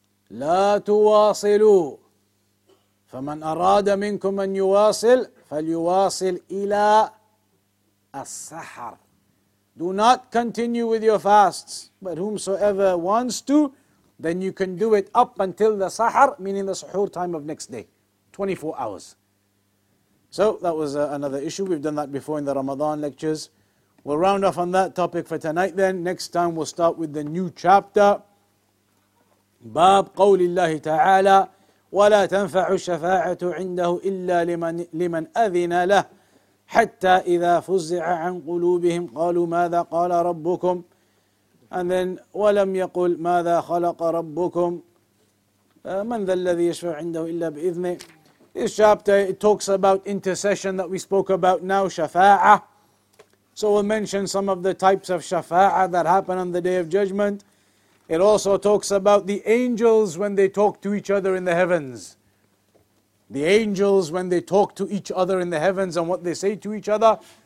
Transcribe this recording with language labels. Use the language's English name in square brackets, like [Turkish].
[Arabic] لا تواصلوا فمن أراد منكم أن يواصل فليواصل إلى السحر. [English] Do not continue with your fasts, but whomsoever wants to, then you can do it up until the sahar, meaning the suhoor time of next day, 24 hours. So that was another issue. We've done that before in the Ramadan lectures. We'll round off on that topic for tonight then. Next time we'll start with the new chapter. [Arabic] Bab qawli Allah ta'ala, وَلَا تَنْفَعُ الشَّفَاعَةُ عِنْدَهُ إِلَّا لِمَنْ أَذِنَ لَهُ حتى إذا فزع عن قلوبهم قالوا ماذا قال ربكم [English] and then [Arabic] ولم يقل ماذا خلق ربكم من ذا الذي يشفع عنده إلا بإذنه. [English] This chapter, it talks about intercession that we spoke about now, shafa'ah. So we'll mention some of the types of shafa'ah that happen on the Day of Judgment. It also talks about the angels when they talk to each other in the heavens. The angels, when they talk to each other in the heavens and what they say to each other.